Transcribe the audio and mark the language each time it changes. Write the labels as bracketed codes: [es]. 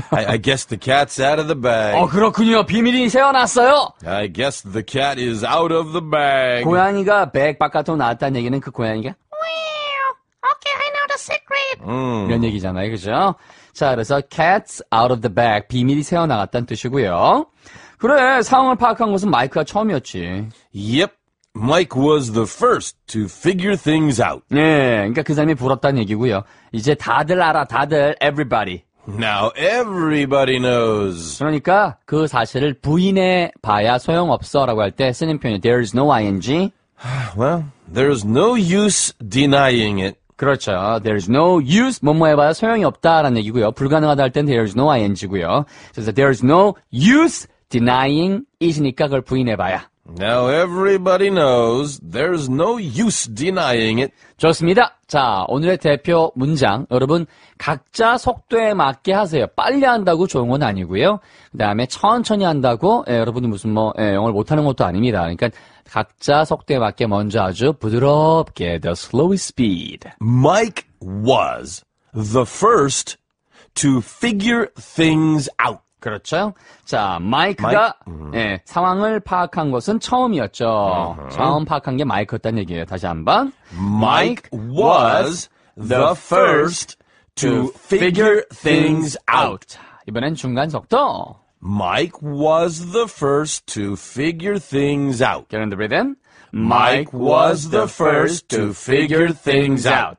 [en] I guess the cat's out of the bag. [ko] 어, 그렇군요. 비밀이 새어났어요. [en] I guess the cat is out of the bag. [ko] 고양이가 백 바깥으로 나왔다는 얘기는 그 고양이가 [en] Okay, I know the secret. [ko] 이런 얘기잖아요, 그죠? 자, 그래서 [en] cat's out of the bag. [ko] 비밀이 새어나갔다는 뜻이고요. 그래, 상황을 파악한 것은 마이크가 처음이었지. [en] Yep. Mike was the first to figure things out. [ko] 네, 그러니까 그 사람이 부럽다는 얘기고요. 이제 다들 알아, 다들, everybody. [en] Now everybody knows. [ko] 그러니까 그 사실을 부인해 봐야 소용없어라고 할 때 쓰는 표현이 [en] there is no ing. Well, there is no use denying it. [ko] 그렇죠. [en] There is no use, [ko] 뭐뭐 해봐야 소용이 없다라는 얘기고요. 불가능하다 할 땐 [en] there is no ing [ko] 고요. 그래서 [en] there is no use denying it [ko] 이니까 그걸 부인해 봐야. [en] Now everybody knows there's no use denying it. [ko] 좋습니다. 자, 오늘의 대표 문장. 여러분, 각자 속도에 맞게 하세요. 빨리 한다고 좋은 건 아니고요. 그 다음에 천천히 한다고, 예, 여러분이 무슨 뭐, 예, 영어를 못하는 것도 아닙니다. 그러니까 각자 속도에 맞게 먼저 아주 부드럽게, [en] the slowest speed. Mike was the first to figure things out. [ko] 그렇죠. 자, 마이크가 예, 상황을 파악한 것은 처음이었죠. 처음 파악한 게 마이크였다는 얘기예요. 다시 한번. [en] Mike was the first to figure things out. [ko] 자, 이번엔 중간 속도. [en] Mike was the first to figure things out. Get in the rhythm. Mike was the first to figure things out.